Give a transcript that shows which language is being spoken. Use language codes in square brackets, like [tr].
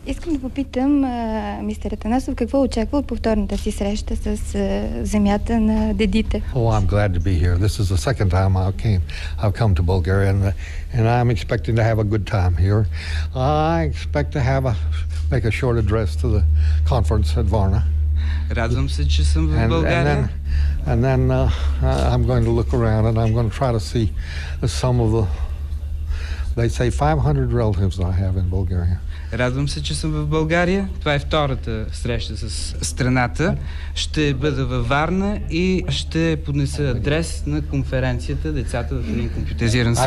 [bg] Искам да попитам мистер Атанасов, какво очаква от повторната си среща с земята на дедите? [en] Oh, I'm glad to be here. This is the second time I've come to Bulgaria and I'm expecting to have a good time here. I expect to have make a short address to the conference at Varna. [bg] Радвам се, че съм в България. [en] And then I'm going to look around and I'm going to try to see some of the they say 500 relatives I have in Bulgaria. [bg] Радвам се, че съм в България. Това е втората среща с страната. Ще бъда във Варна и ще поднеса адрес на конференцията Децата в един компютъризиран свят.